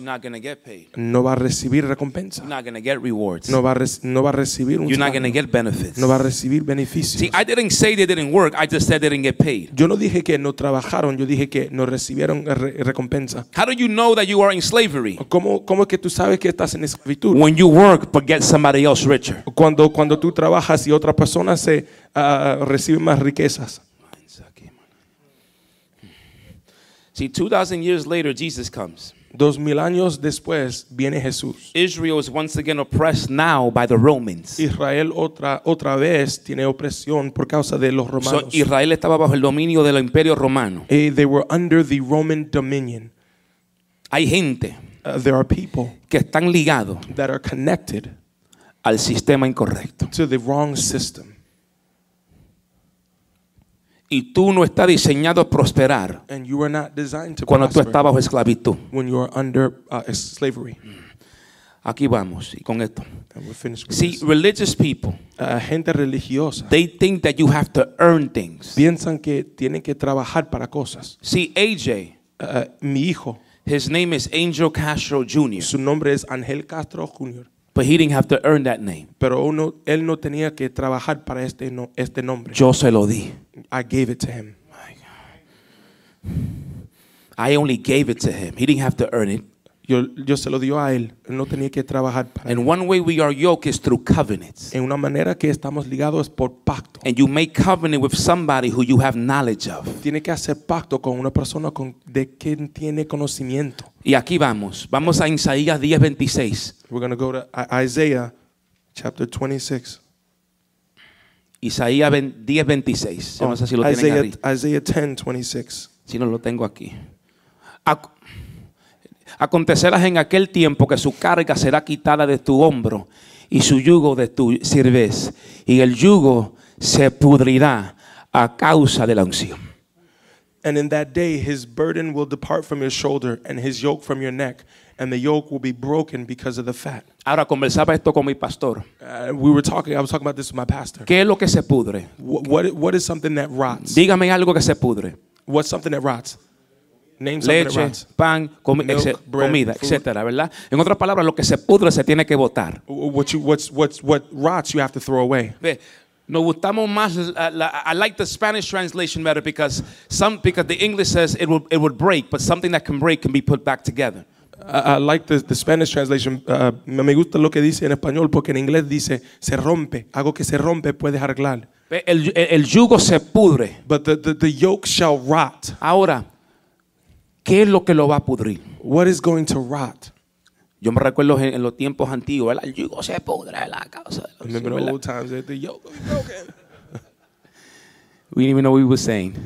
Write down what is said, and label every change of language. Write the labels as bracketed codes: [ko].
[en] you're not gonna get paid. [es] No va a recibir recompensa. [en] You're not gonna get rewards. [es] No va a recibir un [en] you're salario. Not gonna get benefits. [es] No va a recibir beneficios. [en] See, I didn't say they didn't work. I just said they didn't get paid. [es] Yo no dije que no trabajaron. Yo dije que no recibieron recompensa. [en] How do you know that you are in slavery? [es] ¿Cómo es que tú sabes que estás en esclavitud? [en] When you work but get somebody else richer. [es] Cuando tú trabajas y otra persona se recibe más riquezas. [en] See, 2,000 years later, Jesus comes. [es] 2,000 años después viene Jesús. [en] Israel is once again oppressed now by the Romans. [es] Israel otra vez tiene opresión por causa de los romanos. So Israel estaba bajo el dominio del Imperio Romano. [en] They were under the Roman dominion. [es] Hay gente. [en] There are people [es] que están ligados. [en] That are connected. [es] Al sistema incorrecto. [en] To the wrong system. [es] Y tú no estás diseñado a prosperar. [en] And you are not designed to [es] cuando [en] prosper [es] tú estás bajo esclavitud. [en] When you are under slavery. [es] Aquí vamos y con esto. [en] And we're finished with see, this. Religious people. [es] Gente religiosa. [en] They think that you have to earn things. [es] Piensan que tienen que trabajar para cosas. [en] See, AJ. [es] Mi hijo. [en] His name is Angel Castro Jr. [es] Su nombre es Angel Castro Jr. [en] But he didn't have to earn that name. [es] Pero él no tenía que trabajar para este nombre. Yo se lo di. [en] I gave it to him. I only gave it to him. He didn't have to earn it. [es] Yo se lo dio a él. No tenía que trabajar para [en] and [es] él. [en] One way we are yoked is through covenants. [es] En una manera que estamos ligados es por pacto. [en] And you make covenant with somebody who you have knowledge of. [es] Tiene que hacer pacto con una persona de quien tiene conocimiento. Y aquí vamos. Vamos a Isaías 10:26. [en] We're going to go to Isaiah chapter 26. [es] Isaías 10:26. Oh, no sé si lo [en] Isaiah 10:26. [es] Si no lo tengo aquí. Acontecerás en aquel tiempo que su carga será quitada de tu hombro y su yugo de tu cerviz, y el yugo se pudrirá a causa de la unción. [en] And in that day his burden will depart from your shoulder and his yoke from your neck, and the yoke will be broken because of the fat. [es] Ahora conversaba esto con mi pastor. [en] I was talking about this with my pastor. [es] ¿Qué es lo que se pudre? [en] What is something that rots? [es] Dígame algo que se pudre. [en] What's something that rots? [es] Name leche, pan, comida, etcétera, ¿verdad? En otras palabras, lo que se pudre se tiene que botar. [en] What rots you have to throw away. [es] Nos gustamos más. [en] I like the Spanish translation better because the English says it would break, but something that can break can be put back together. I like the Spanish translation. [es] Me gusta lo que dice en español porque en inglés dice se rompe. Algo que se rompe puedes arreglar. El yugo se pudre. [en] But the yoke shall rot. [es] Ahora. ¿Qué es lo que lo va a pudrir? [en] What is going to rot? [es] Yo me recuerdo en los tiempos antiguos, ¿verdad? El yugo se pudre a la causa de los [en] remember [es] cielos, [en] the old times that the yoke was broken. We didn't even know what we were saying.